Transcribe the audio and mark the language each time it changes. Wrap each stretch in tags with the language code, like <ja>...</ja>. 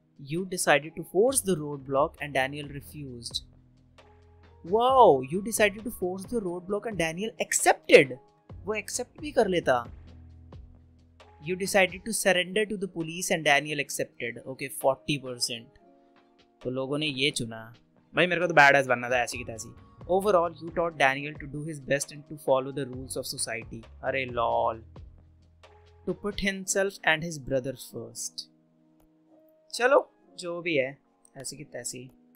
<en>You decided to force the roadblock and Daniel refused. Wow, you decided to force the roadblock and Daniel accepted.</en> <hi>वो accept भी कर लेता।</hi> <en>You decided to surrender to the police and Daniel accepted.</en> <hi>Okay, 40%. तो लोगों ने ये चुना। भाई मेरे को तो badass बनना था ऐसी की तैसी।</hi> <en>Overall, you taught Daniel to do his best and to follow the rules of society. अरे lol. To put himself and his brother first.</en> <hi>चलो, जो भी है, ऐसी की तैसी।</hi>